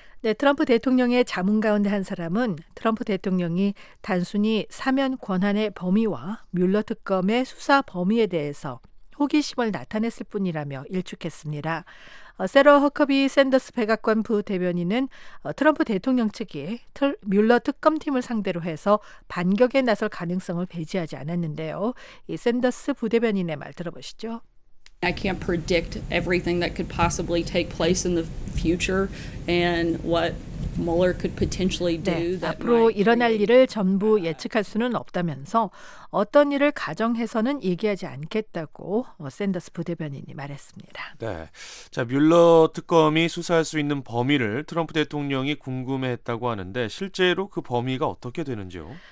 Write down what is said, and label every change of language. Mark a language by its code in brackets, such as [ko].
[ko] 네, 트럼프 대통령의 자문 가운데 한 사람은 트럼프 대통령이 단순히 사면 권한의 범위와 뮬러 특검의 수사 범위에 대해서 호기심을 나타냈을 뿐이라며 일축했습니다. 세러 허커비 샌더스 백악관 부대변인은 트럼프 대통령 측이 뮬러 특검팀을 상대로 해서 반격에 나설 가능성을 배제하지 않았는데요. 이 샌더스 부대변인의 말 들어보시죠. [en] I can't predict everything that could possibly take place in the future and what Mueller could potentially do. [ko] 네, 앞으로 일어날 일을 전부 예측할 수는 없다면서 어떤 일을 가정해서는 얘기하지 않겠다고 샌더스 부대변인이 말했습니다. 네, 자, 뮬러 특검이 수사할 수 있는 범위를 트럼프 대통령이 궁금해했다고 하는데 실제로 그 범위가 어떻게 되는지요?